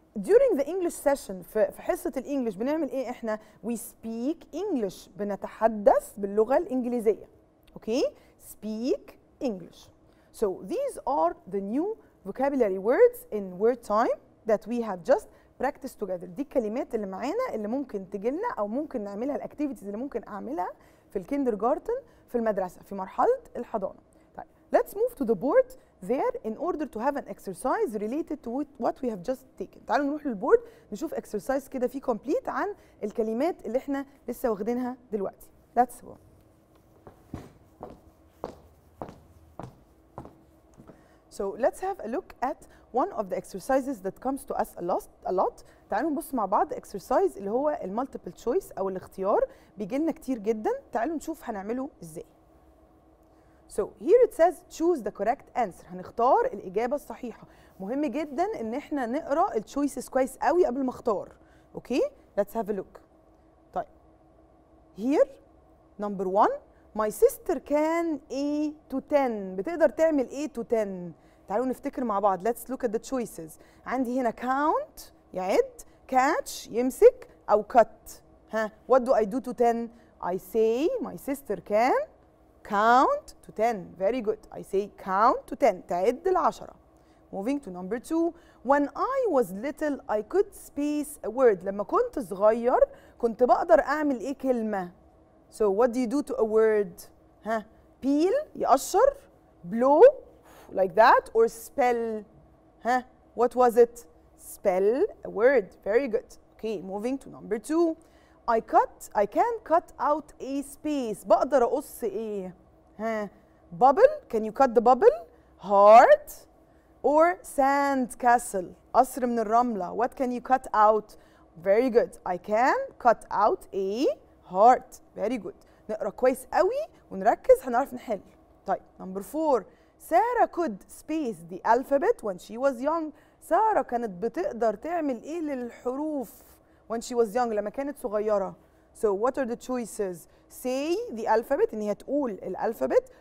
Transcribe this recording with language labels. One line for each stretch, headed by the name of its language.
English: During the English session,
Arabic: في حصة الإنجليش بنعمل إيه إحنا؟
English: We speak English.
Arabic: بنتحدث باللغة الإنجليزية.
English: Okay? Speak English. So these are the new vocabulary words in word time that we have just practiced together.
Arabic: دي الكلمات اللي معانا اللي ممكن تجيلنا أو ممكن نعملها, الأكتيفيتيز اللي ممكن أعملها في الكيندر جارتن في المدرسة في مرحلة الحضانة.
English: طيب, let's move to the board. There in order to have an exercise related to what we have just taken.
Arabic: تعالوا نروح للبورد نشوف exercise كده فيه complete عن الكلمات اللي احنا لسه واخدينها دلوقتي.
English: Let's go. So let's have a look at one of the exercises that comes to us a lot.
Arabic: تعالوا نبص مع بعض exercise اللي هو multiple choice أو الاختيار بيجي لنا كتير جدا. تعالوا نشوف هنعمله ازاي.
English: So here it says choose the correct answer.
Arabic: هنختار الإجابة الصحيحة. مهم جدا إن احنا نقرأ الـ choices كويس قوي قبل ما اختار.
English: Okay? Let's have a look. طيب. Here, number one, my sister can A to 10.
Arabic: بتقدر تعمل
English: A to 10.
Arabic: تعالوا نفتكر مع بعض.
English: Let's look at the choices.
Arabic: عندي هنا count, يعد, catch, يمسك, أو cut.
English: ها. What do I do to 10? I say my sister can count to 10. Very good. I say count to 10.
Arabic: تعد العشرة.
English: Moving to number two. When I was little, I could space a word.
Arabic: لما كنت صغير كنت بقدر أعمل إيه كلمة.
English: So what do you do to a word? Huh? Peel, يقشر. Blow, like that. Or spell. Huh? What was it? Spell a word. Very good. Okay, moving to number two. I can cut out a space.
Arabic: بقدر أقص إيه؟
English: ها. Bubble, can you cut the bubble? Heart or sand castle.
Arabic: قصر من الرملة.
English: What can you cut out? Very good. I can cut out a heart. Very good.
Arabic: نقرأ كويس قوي ونركز هنعرف نحل. طيب, number four.
English: Sarah could space the alphabet when she was young.
Arabic: سارة كانت بتقدر تعمل إيه للحروف؟
English: When she was young,
Arabic: لما كانت صغيرة.
English: So what are the choices? Say the alphabet,
Arabic: إن هي تقول الألفابت.